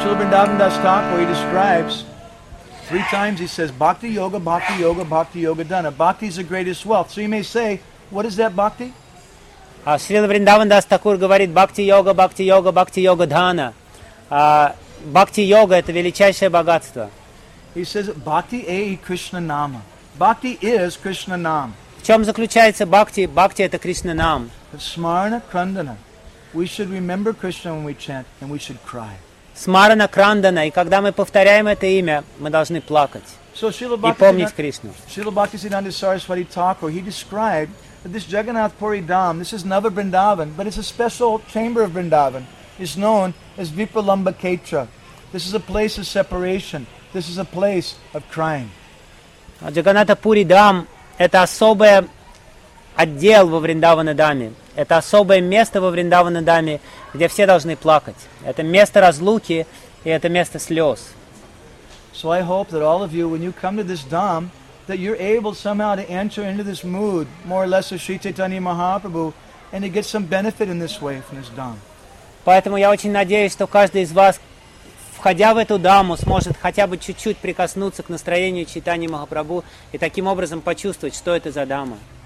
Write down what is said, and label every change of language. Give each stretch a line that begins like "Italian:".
English: Vrindavan Das Thakur, he describes three times, he says,
Bangla: Bhakti Yoga, Bhakti Yoga, Bhakti Yoga Dhana.
English: Bhakti is the greatest wealth. So you may say, what is that Bhakti?
Russian: Srila Vrindavan Das Thakur говорит,
Bangla: Bhakti Yoga, Bhakti Yoga, Bhakti Yoga Dhana.
Russian: Bhakti Yoga – это величайшее богатство.
English: He says,
Bangla: Bhakti A.E. Krishna Nama.
English: Bhakti is Krishna Nam.
Russian: В чем заключается Bhakti? Bhakti – это Krishna Nam.
Bangla: Smarana Krandana.
English: We should remember Krishna when we chant, and we should cry.
Russian: Смарана Крандана, и когда мы повторяем это имя, мы должны плакать
English: so,
Russian: и помнить Кришну.
English: Srila Bhaktisiddhanta Saraswati Thakur, he described that this Jagannath Puri Dham, this is Nava Vrindavan, but it's a special chamber of Vrindavan. It's known as Vipralamba Ketra. This is a place of separation. This is a place of crying.
Russian: Jagannatha Puri Dham – это особый отдел во Вриндавана Даме. Это особое место во Вриндавана Даме, где все должны плакать. Это место разлуки и это место слез.
English: So I hope that all of you, when you come to this dham, that you're able somehow to enter into this mood, more or less of Sri Chaitanya Mahaprabhu, and to get some benefit in this way from this dham.
Russian: Поэтому я очень надеюсь, что каждый из вас, входя в эту даму, сможет хотя бы чуть-чуть прикоснуться к настроению Чайтаньи Махапрабху и таким образом почувствовать, что это за дама.